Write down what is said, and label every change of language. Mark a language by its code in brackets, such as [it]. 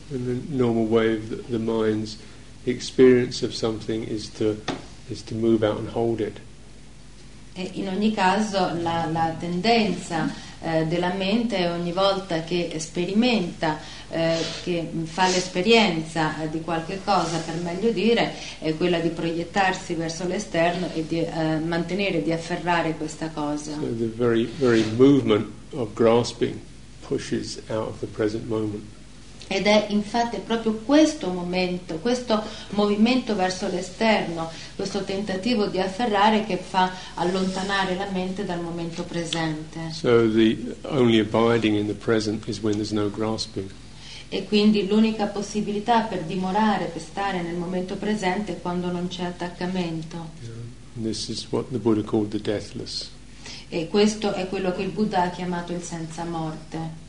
[en] In the normal way of the mind's experience of something is to move out and hold it. [it] In ogni caso la tendenza della mente ogni volta che sperimenta, che fa l'esperienza di qualche cosa, per meglio dire, è quella di proiettarsi verso l'esterno e di mantenere, di afferrare questa cosa. [en] So the very, very movement of grasping pushes out of the present moment. [it] Ed è infatti proprio questo momento, questo movimento verso l'esterno, questo tentativo di afferrare che fa allontanare la mente dal momento presente. [en] So the only abiding in the present is when there's no grasping. [it] E quindi l'unica possibilità per dimorare, per stare nel momento presente è quando non c'è attaccamento. [en] And this is what the Buddha called the deathless. [it] E questo è quello che il Buddha ha chiamato il senza morte.